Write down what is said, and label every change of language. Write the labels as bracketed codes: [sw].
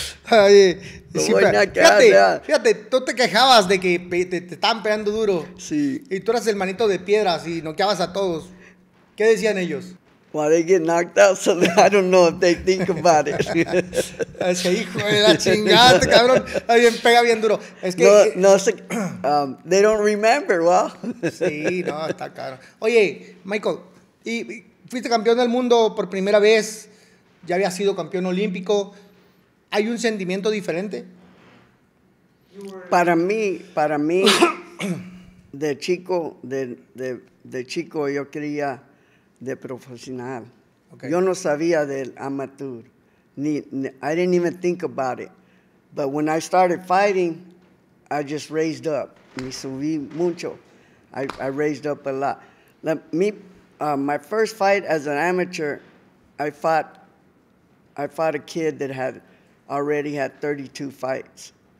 [es] Ay, sí, fíjate, tú te quejabas de que te estaban pegando duro. Sí. Y tú eras el manito de piedras y noqueabas a todos. ¿Qué decían ellos? [en] Well, they get knocked out, so I don't know if they think about it. [es] Es que, hijo de la chingada, cabrón. Ay, pega bien duro. Es que, [en] No, they don't remember, well. [es] Sí, no, está caro. Oye, Michael, y fuiste campeón del mundo por primera vez. Ya habías sido campeón olímpico. ¿Hay un sentimiento diferente? Para mí, de chico yo quería de profesional. [en] Okay. [es] Yo no sabía del amateur. [en] I didn't even think about it. But when I started fighting, I just raised up. [es] Me subí mucho. [en] I raised up a lot. My first fight as an amateur, I fought a kid that had already had 32 fights.